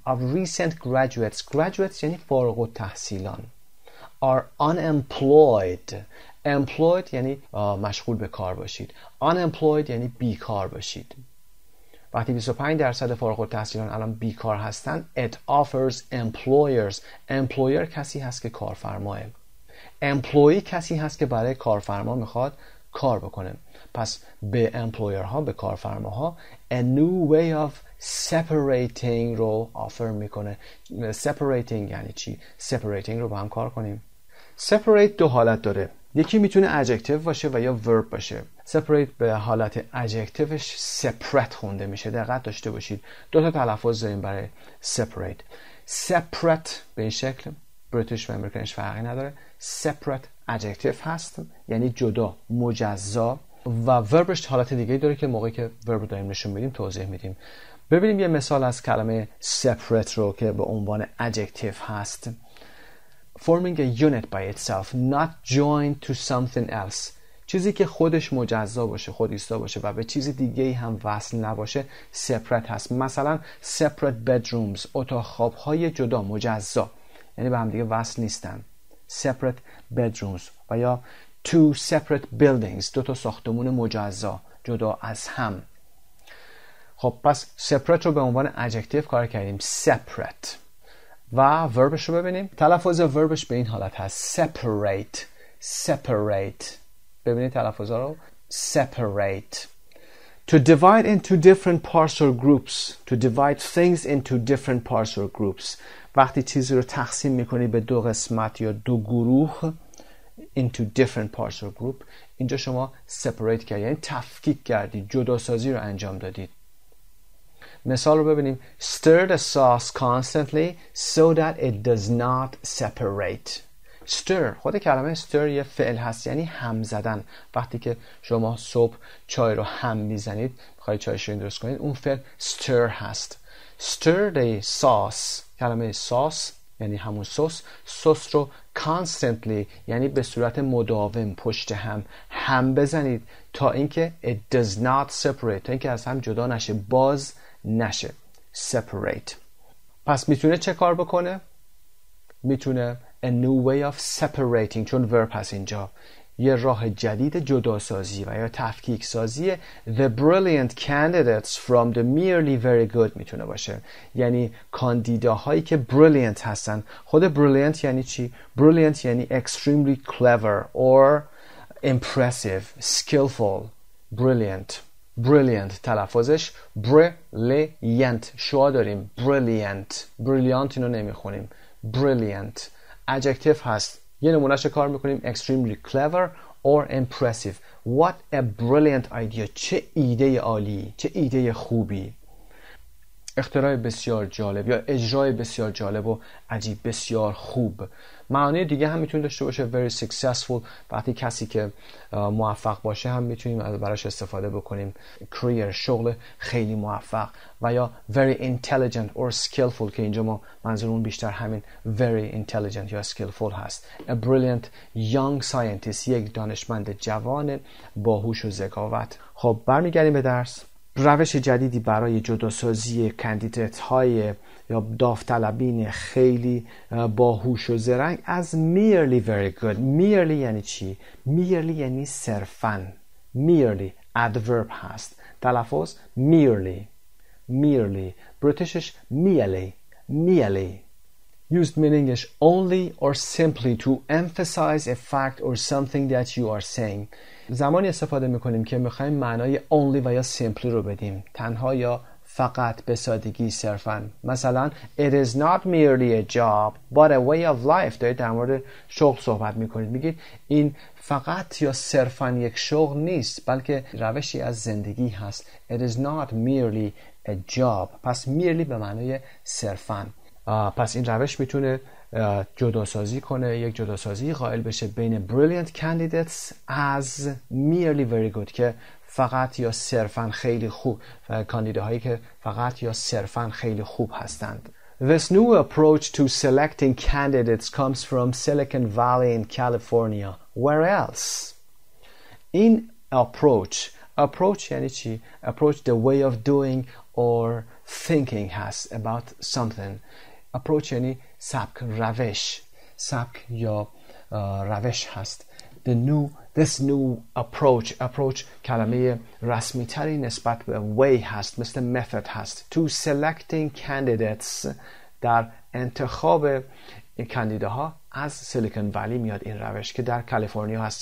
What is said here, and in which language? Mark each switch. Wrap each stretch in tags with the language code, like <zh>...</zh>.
<en>Of recent graduates، graduates</en> <fa>یعنی فارغ التحصیلان،</fa> <en>are unemployed.</en> <fa>employed یعنی مشغول به کار باشید. unemployed یعنی بیکار باشید. وقتی 25% فارغ التحصیلان الان بیکار هستن،</fa> <en>it offers employers.</en> <fa>employer کسی هست که کارفرماه، employee کسی هست که برای کارفرما میخواد کار بکنه. پس به employer ها، به کارفرما ها،</fa> <en>a new way of separating</en> <fa>رو offer میکنه. separating یعنی چی؟ separating رو با هم کار کنیم. separate دو حالت داره، یکی میتونه adjective باشه و یا verb باشه. separate به حالت adjectiveش separate خونده میشه، دقت داشته باشید. دو تا تلفظ داریم برای separate. separate به این شکل بریتیش و امریکنش فرقی نداره، separate adjective هست یعنی جدا، مجزا، و verbش حالت دیگه داره که موقعی که verb داریم نشون میدیم توضیح میدیم. ببینیم یه مثال از کلمه separate رو که به عنوان adjective هست.</fa> <en>forming a unit by itself, not joined to something else.</en> <fa>چیزی که خودش مجزا باشه، خودیستا باشه و به چیز دیگه هم وصل نباشه separate هست. مثلا separate bedrooms، اتاق خوابهای جدا، مجزا، یعنی به هم دیگه وصل نیستن. separate bedrooms و یا two separate buildings، دو تا ساختمون مجزا، جدا از هم. خب پس separate رو به عنوان adjective کار کردیم، separate. و وربش رو ببینیم، تلفظ وربش به این حالت هست، separate. separate، ببینید تلفظ رو، separate.</fa> <en>to divide into different parts or groups، to divide things into different parts or groups.</en> <fa>وقتی چیزی رو تقسیم میکنی به دو قسمت یا دو گروه،</fa> <en>into different parts or group،</en> <fa>اینجا شما separate کردی، یعنی تفکیک کردی، جداسازی رو انجام دادید. مثال رو ببینیم،</fa> <en>stir the sauce constantly so that it does not separate.</en> <fa>stir، خود کلمه stir یه فعل هست، یعنی هم زدن. وقتی که شما صبح چای رو هم میزنید، میخوای چای شیرین درست کنید، اون فعل stir هست. stir the sauce، کلمه sauce یعنی همون سس، سس رو constantly یعنی به صورت مداوم پشت هم هم بزنید تا اینکه</fa> <en>it does not separate،</en> <fa>تا اینکه از هم جدا نشه، باز نشه، separate. پس میتونه چه کار بکنه؟ میتونه</fa> <en>a new way of separating،</en> <fa>چون verb هست اینجا، یه راه جدید جداسازی و یا تفکیک سازی</fa> <en>the brilliant candidates from the merely very good</en> <fa>میتونه باشه، یعنی کاندیداهایی که brilliant هستن.</fa> <en>خود brilliant</en> <fa>یعنی چی؟</fa> <en>brilliant یعنی extremely clever or impressive، skillful.</en> <fa>brilliant تلفظش brilliant، شوا داریم brilliant، brilliant اینو نمیخونیم، brilliant adjective هست. یه نمونهش کار میکنیم،</fa> <en>extremely clever or impressive، what a brilliant idea،</en> <fa>چه ایده عالی، چه ایده خوبی، اختراع بسیار جالب یا اجرای بسیار جالب و عجیب، بسیار خوب. معانی دیگه هم میتونه داشته باشه،</fa> <en>very successful،</en> <fa>وقتی کسی که موفق باشه هم میتونیم براش استفاده بکنیم، career، شغل خیلی موفق، و یا</fa> <en>very intelligent or skillful</en> <fa>که اینجا ما منظورمون بیشتر همین very intelligent یا skillful هست.</fa> <en>a brilliant young scientist،</en> <fa>یک دانشمند جوان باهوش و ذکاوت. خب برمیگردیم به درس. روش جدیدی برای جداسازی کاندیدیت های یا داوطلبین خیلی باهوش و زرنگ از</fa> <en>merely very good.</en> <fa>merely یعنی چی؟ merely یعنی صرفاً. merely adverb هست، تلفظ merely.</fa> <en>merely بریتیشش merely. merely used meaningish only or simply to emphasize a fact or something that you are saying.</en> <fa>زمانی استفاده میکنیم که میخواییم معنای only و یا simply رو بدیم، تنها یا فقط، به سادگی، صرفا. مثلا</fa> <en>it is not merely a job but a way of life،</en> <fa>دارید در مورد شغل صحبت میکنید، میگید این فقط یا صرفا یک شغل نیست، بلکه روشی از زندگی هست.</fa> <en>it is not merely a job.</en> <fa>پس merely به معنای صرفا. پس این روش میتونه جداسازی کنه، یک جداسازی قائل بشه بین brilliant candidates از</fa> <en>merely very good</en> <fa>که فقط یا صرفاً خیلی خوب، کاندیداهایی که فقط یا صرفاً خیلی خوب هستند.</fa> <en>This new approach to selecting candidates comes from Silicon Valley in California. Where else? این approach</en> <fa>یعنی چی؟</fa> <en>approach the way of doing or thinking has about something.</en> <fa>approach یعنی سبک، روش، سبک یا روش هست.</fa> <en>This new approach</en> <fa>کلمه رسمی تری نسبت به way هست، مثل method هست.</fa> <en>To selecting candidates،</en> <fa>در انتخاب کاندیداها از سیلیکون ولی میاد این روش که در کالیفرنیا هست.</fa>